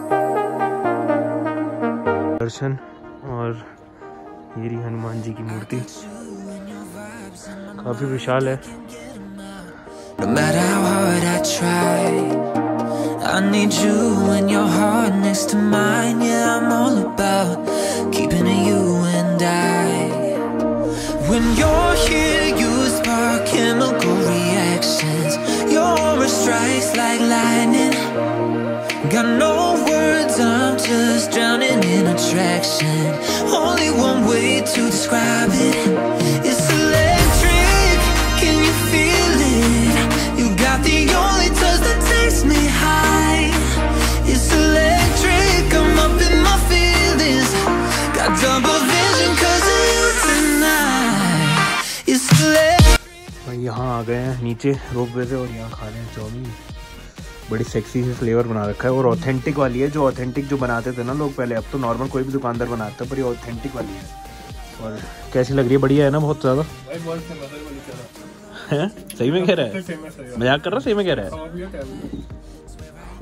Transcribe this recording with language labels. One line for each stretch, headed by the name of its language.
Hindi: दर्शन, और ये रही हनुमान जी की मूर्ति, काफी विशाल है।
English: No matter how hard I try, I need you and your heart next to mine, yeah, I'm all about keeping it you and I. When you're here, you spark chemical reactions, your aura strikes like lightning, got no words, I'm just drowning in attraction, only one way to describe it, it's electric, can you feel it, you got the only touch that takes me high, it's electric, I'm up in my feelings, got double vision cause of you tonight, it's electric।
Hindi: यहाँ आ गए हैं नीचे रोप वे से और यहाँ खा रहे हैं चाउमीन, बड़ी सेक्सी से फ्लेवर बना रखा है और ऑथेंटिक वाली है, जो ऑथेंटिक जो बनाते थे ना लोग पहले, अब तो नॉर्मल कोई भी दुकानदार बनाता है, पर ये ऑथेंटिक वाली है। और कैसी लग रही है? बढ़िया है ना? बहुत ज़्यादा सही में कह रहा है, मजाक कर रहा है, सही में कह रहा है।